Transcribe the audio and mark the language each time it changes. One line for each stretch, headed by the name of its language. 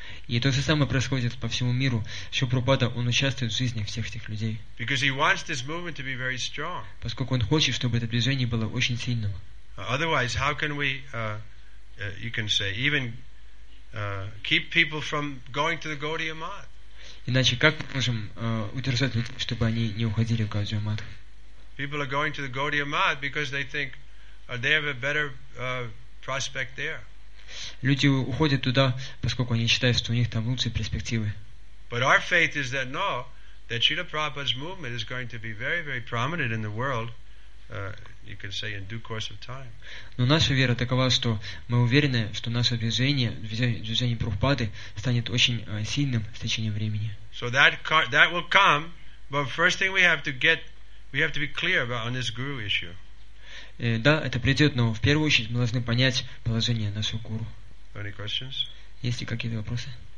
Russian: И то же самое происходит по всему миру. Шрила Прабхупада, он участвует в жизни всех этих людей.
English: Because he wants this movement to be very strong.
Russian: Поскольку он хочет, чтобы это движение было очень сильным.
English: Otherwise, how can we, you can say, even keep people from going to the Gaudiya Math?
Russian: Иначе как мы можем удержать людей, чтобы они не уходили в Gaudiya Math?
English: People are going to the Gaudiya Math because they think they have a better prospect there.
Russian: Люди уходят туда, поскольку они считают, что у них там лучшие перспективы.
English: But our faith is that no, that Srila Prabhupada's movement is going to be very, very prominent in the world, you can say, in due course of time.
Russian: Но наша вера такова, что мы уверены, что наше движение Прабхупады станет очень сильным с течением времени.
English: So that will come, but first thing we have to be clear about on this guru issue.
Russian: Да, это придет, но в первую очередь мы должны понять положение нашего гуру.
English: Any questions?
Russian: Есть ли какие-то вопросы?